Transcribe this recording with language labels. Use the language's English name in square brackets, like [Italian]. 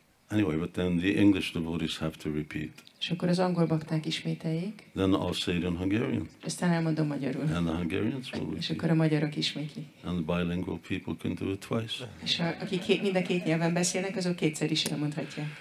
[English] Anyway, but then the English devotees have to repeat. [Hungarian] És akkor az angol bakták ismételjék. [English] Then I'll say it in Hungarian. [Hungarian] Aztán elmondom magyarul. [English] And the Hungarians will repeat. [Hungarian] És akkor a magyarok ismétlik. [English] And the bilingual people can do it twice. [Hungarian] És aki mind a két nyelven beszélnek, azok kétszer is elmondhatja.